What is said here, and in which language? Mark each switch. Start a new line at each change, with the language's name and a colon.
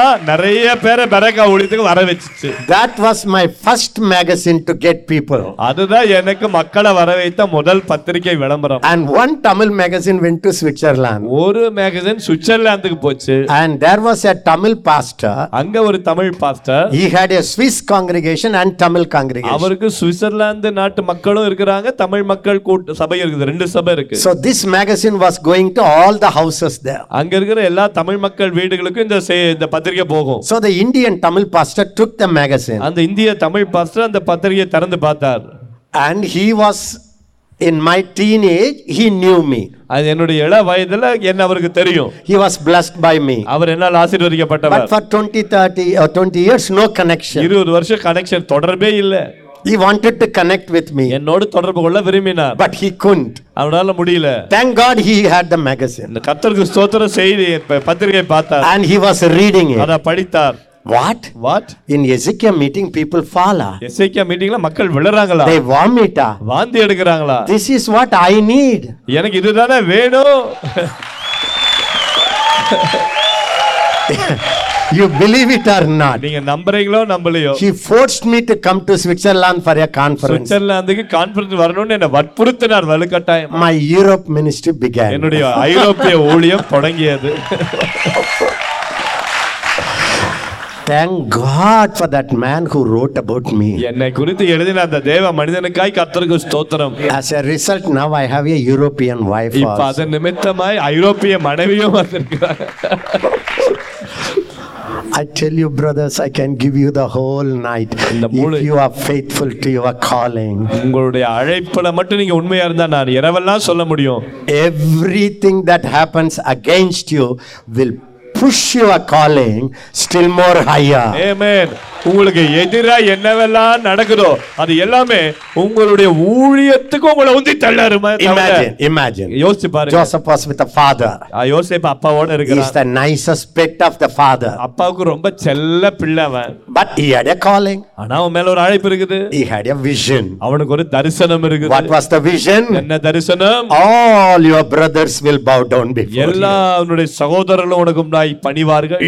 Tamil: நிறைய பேரை பெரகா ஊழியத்துக்கு வர வச்சுச்சு.
English: That was my first magazine to get people.
Tamil: அதுதான் எனக்கு மக்களை வர வைத்த முதல் பத்திரிகை விளம்பரம்.
English: And one Tamil magazine went to Switzerland.
Tamil: ஒரு மேகசின் சுவிட்சர்லாந்துக்கு போச்சு.
English: And there was a Tamil pastor.
Tamil: அங்க ஒரு Tamil pastor.
English: He had a Swiss congregation and Tamil congregation.
Tamil: அவருக்கு சுவிட்சர்லாந்து நாட்டு மக்களும் இருக்கிறாங்க, தமிழ் மக்கள் கூட்டம் சபை இருக்குது, ரெண்டு சபை இருக்கு.
English: So this magazine was going to all the houses there.
Tamil: அங்க இருக்கிற எல்லா தமிழ் மக்கள் வீடுகளுக்கும் இந்த பத்திரிகை போகும்.
English: So the Indian Tamil pastor took the magazine.
Tamil: அந்த இந்திய தமிழ் பாஸ்டர் அந்த பத்திரிகையை திறந்து பார்த்தார்.
English: And he was in my teenage, he knew me.
Tamil: என்னுடைய இள வயதுல என்ன அவருக்கு தெரியும்.
English: He was blessed by me.
Tamil: அவர் என்னால் ஆசீர்வதிக்கப்பட்டவர்.
English: But for 20 years no connection.
Tamil: 20 வருஷம் கனெக்ஷன் தொடர்பே இல்லை.
English: He wanted to connect with me.
Tamil: என்னோடு தொடர்பு கொள்ள விரும்பினார்.
English: But he couldn't.
Tamil: அவரால முடியல.
English: Thank God he had the magazine.
Tamil: கர்த்தருக்கு ஸ்தோத்திரம், செய்தி பத்திரிகையை பார்த்தார்.
English: And he was reading it.
Tamil: அதை படித்தார்.
English: What? What? In Ezekiel meeting people fall.
Tamil: Ezekiel meeting la makkal vilaraangala.
English: They vomit.
Tamil: Vaandi edukraangala.
English: This is what I need.
Tamil: Enak idu thana venu.
English: You believe it or not?
Tamil: நீங்க நம்புறீங்களோ நம்பலையோ?
English: He forced me to come to Switzerland for a conference.
Tamil: சுவிட்சர்லாந்துக்கு conference வரணும்னு என்ன வற்புறுத்தினார் வலுக்கட்டாயம்.
English: My Europe ministry began.
Tamil: என்னுடைய ஐரோப்பிய ஊழியம் தொடங்கியது.
English: Thank God for that man who wrote about me.
Tamil: என்னை குறித்து எழுதின அந்த தேவ மனிதனுக்காய் கர்த்தருக்கு ஸ்தோத்திரம்.
English: As a result now I have a European wife.
Tamil: இப்ப அதன் நிமித்தமாய் ஐரோப்பிய மனைவியும் வந்திருக்கிறார்.
English: I tell you brothers, I can give you the whole night if you are faithful to your calling.
Tamil: உங்களுடைய அழைப்புல மட்டும் நீங்க உண்மையா இருந்தா நான் இரவெல்லாம் சொல்ல முடியும்.
English: Everything that happens against you will push your calling still more higher. Amen.
Tamil: உங்களுக்கு எதிரா என்னவெல்லாம் நடக்குதோ அது எல்லாமே உங்களுடைய ஊழியத்துக்கு உங்களை உந்தி தள்ளாருமா?
English: Imagine.
Tamil: யோசிச்சு பாருங்க.
English: Joseph was with the father.
Tamil: யோசேப் அப்பாவோட இருக்கிறார்.
English: He's the nicest pet of the father.
Tamil: அப்பாவுக்கு ரொம்ப செல்ல பிள்ளைவன்.
English: But he had a calling.
Tamil: ஆனா அவன் மேல ஒரு அழைப்பு இருக்குது.
English: He had a vision.
Tamil: அவனுக்கு ஒரு தரிசனம் இருக்குது.
English: What was the vision?
Tamil: என்ன தரிசனம்?
English: All your brothers will bow down before you.
Tamil: எல்லாருடைய சகோதரர்களும் உனக்கு முன்னாய் பணிவார்கள்.